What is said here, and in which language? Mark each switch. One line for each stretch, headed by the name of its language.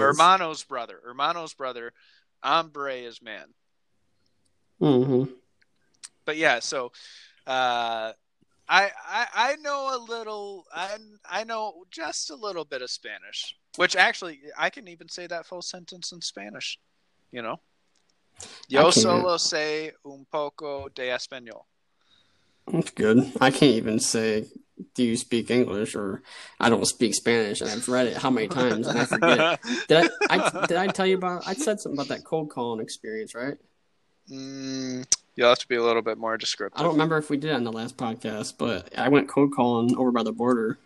English: hermano's is. Brother. Hermano's brother. Hombre is man. Mm-hmm. But yeah, so I know a little. I know just a little bit of Spanish. Which actually, I can even say that full sentence in Spanish. You know.
Spanish: Yo solo sé un poco de español.
English: That's good. I can't even say, do you speak English or I don't speak Spanish. And I've read it how many times and I forget. Did I tell you about, I said something about that cold calling experience, right? You'll have to be a little bit more descriptive. I don't remember if we did on the last podcast, but I went cold calling over by the border.